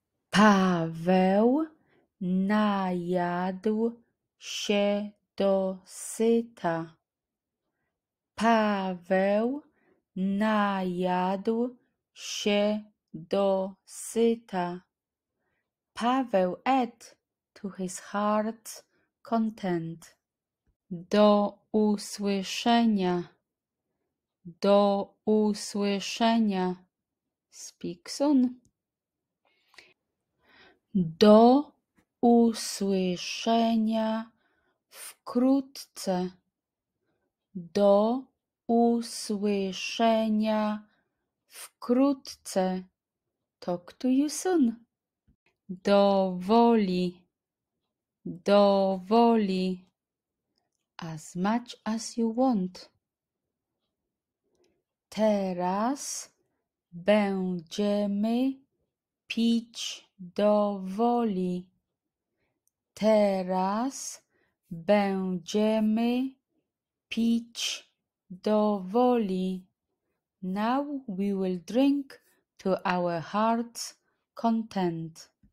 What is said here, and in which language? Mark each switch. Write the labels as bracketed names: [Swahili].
[Polish] Paweł najadł się do syta. Paweł najadł się do syta. [English] Paweł ate to his heart's content. [Polish] Do usłyszenia. Do usłyszenia. [English] Speak soon. [Polish] Do usłyszenia wkrótce. Do usłyszenia wkrótce. [English] Talk to you soon. [Polish] Do woli. Do woli. [English] As much as you want. [Polish] Teraz będziemy pić do woli. Teraz będziemy pić do woli. [English] Now we will drink to our heart's content.